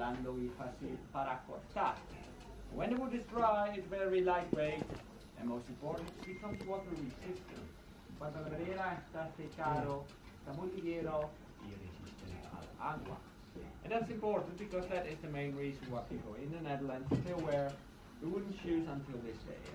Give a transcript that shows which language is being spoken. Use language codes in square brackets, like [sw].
[en] When the wood is dry, it's very lightweight, and most important, it becomes water resistant. [es] Cuando la madera está secado, está muy ligero y resistente al agua. [en] And that's important because that is the main reason why people in the Netherlands still wear the wooden shoes until this day.